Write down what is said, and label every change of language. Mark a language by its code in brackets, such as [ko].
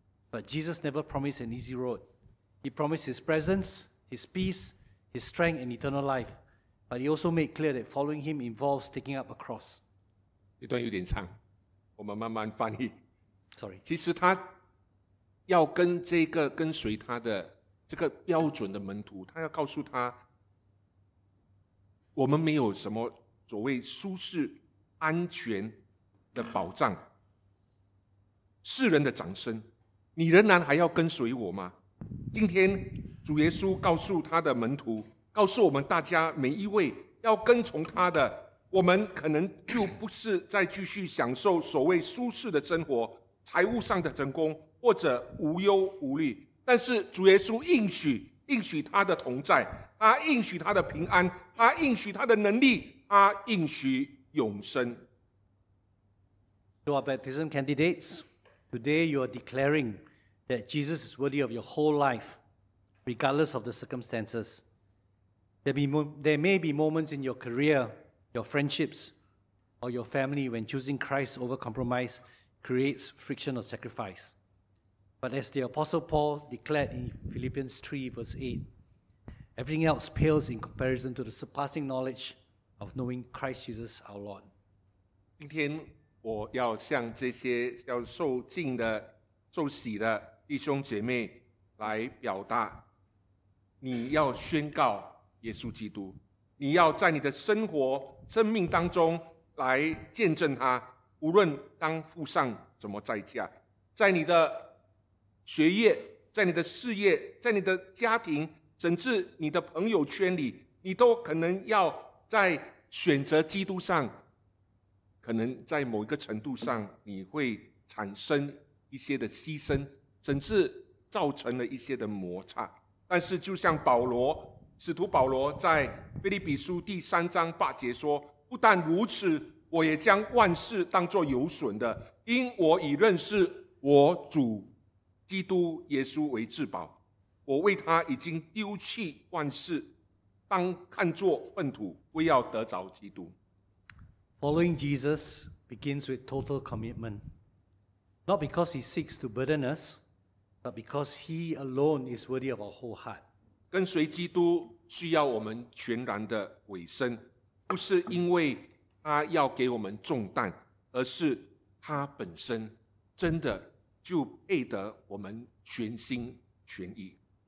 [en] But Jesus never promised an easy road. He promised his presence, his peace, his strength, and eternal life. But he also made clear that following him involves taking up a cross. [zh] 这段有点长，我们慢慢翻译。 [en] Sorry. [zh] 其实他要跟这个跟随他的这个标准的门徒，他要告诉他，我们没有什么所谓舒适安全的保障，世人的掌声，你仍然还要跟随我吗？今天主耶稣告诉他的门徒，告诉我们大家每一位要跟从他的，我们可能就不是再继续享受所谓舒适的生活，财务上的成功，或者无忧无虑。但是主耶稣应许他的同在，他应许他的平安，他应许他的能力，他应许永生。 [en] To our baptism candidates, today you are declaring that Jesus is worthy of your whole life, regardless of the circumstances. There may be moments in your career, your friendships, or your family when choosing Christ over compromise creates friction or sacrifice. But as the Apostle Paul declared in Philippians 3, verse 8, everything else pales in comparison to the surpassing knowledge of knowing Christ Jesus our Lord. [zh] 今天我要向这些要受浸的、受洗的弟兄姐妹来表达，你要宣告耶稣基督，你要在你的生活、生命当中来见证他，无论当付上怎么代价，在你的学业、在你的事业、在你的家庭，甚至你的朋友圈里，你都可能要在选择基督上，可能在某一个程度上你会产生一些的牺牲，甚至造成了一些的摩擦。但是就像保罗，使徒保罗在腓立比书第三章八节说，不但如此，我也将万事当作有损的，因我已认识我主基督耶稣为至宝，我为他已经丢弃万事，当看作粪土，为要得着基督。 [en] Following Jesus begins with total commitment, not because he seeks to burden us, but because he alone is worthy of our whole heart. [zh] 跟随基督需要我们全然的委身，不是因为他要给我们重担，而是他本身真的就配得我们全心全意。